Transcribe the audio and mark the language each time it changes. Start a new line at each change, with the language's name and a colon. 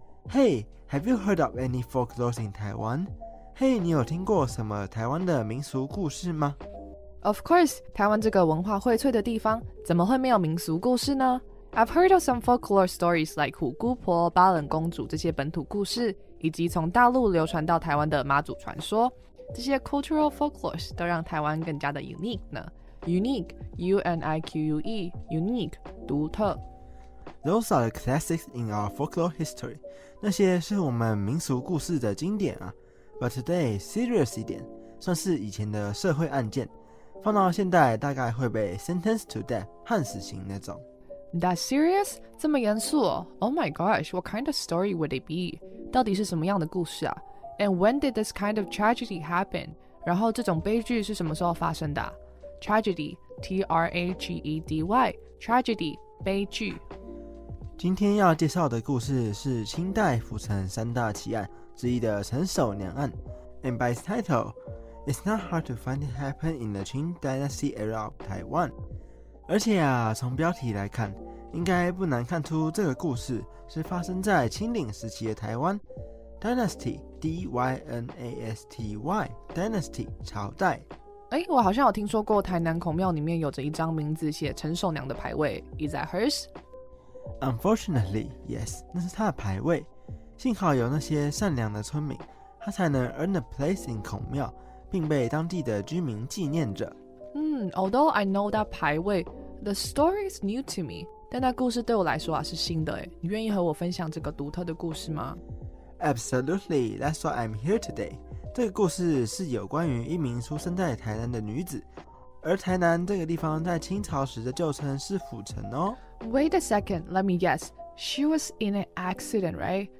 English: Hey,Have you heard of any folklore in Taiwan?
Chinese: Hey, 你有听过什么台湾的民俗故事吗？
English: Of course,
Chinese: 台湾这个文化荟萃的地方，怎么会没有民俗故事呢？
English: I've heard of some folklore stories like
Chinese: 虎姑婆、八冷公主这些本土故事，以及从大陆流传到台湾的妈祖传说。这些 cultural folklores 都让台湾更加的 unique 呢。
English: Unique, U-N-I-Q-U-E, unique, 独特。 Those are the classics in our folklore history.
Chinese: 那些是我们民俗故事的经典啊。
English: But today, serious
Chinese: 一点，算是以前的社会案件，放到现代大概会被
English: sentenced to death,
Chinese: 判死刑那种。
English: That's serious?
Chinese: 这么严肃哦。
English: Oh my gosh, what kind of story would it be?
Chinese: 到底是什么样的故事啊？
English: And when did this kind of tragedy happen?
Chinese: 然后这种悲剧是什么时候发生的？
English: Tragedy, T-R-A-G-E-D-Y, tragedy, 悲剧。
Chinese: 今天要介绍的故事是清代府城三大奇案之一的陈守娘案。
English: And by its title, it's not hard to find it happened in the Qing Dynasty era of Taiwan.
Chinese: 而且啊，从标题来看，应该不难看出这个故事是发生在清领时期的台湾。
English: Dynasty, D-Y-N-A-S-T-Y, Dynasty, 朝代。
Chinese: 哎，我好像有听说过台南孔庙里面有着一张名字写陈守娘的牌位。
English: Is that hers? Unfortunately, yes,
Chinese: 那是他的牌位。幸好有那些善良的村民，他才能
English: earn a place in
Chinese: 孔庙，并被当地的居民纪念着。
English: Although I know that 排位 the story is new to me.
Chinese: 但那故事对我来说啊是新的诶。你愿意和我分享这个独特的故事吗？
English: Absolutely, that's why I'm here today.
Chinese: 这个故事是有关于一名出生在台南的女子。而台南这个地方在清朝时的旧称是府城哦。
English: Wait a second, let me guess. She was in an accident, right?